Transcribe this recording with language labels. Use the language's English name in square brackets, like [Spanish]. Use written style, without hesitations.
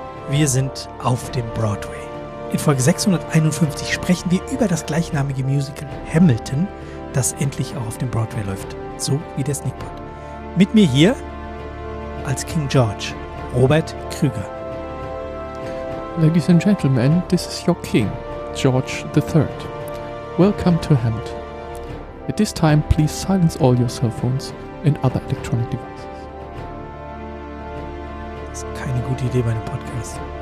[German] Wir sind auf dem Broadway. In Folge 651 sprechen wir über das gleichnamige Musical Hamilton, das endlich auch auf dem Broadway läuft, so wie der Sneakpot. Mit mir hier als King George, Robert Krüger. [English] Ladies and Gentlemen, this is your King, George III. Welcome to Hamilton. At this time, please silence all your cell phones and other electronic devices. [German] Das ist keine gute Idee bei einem Podcast.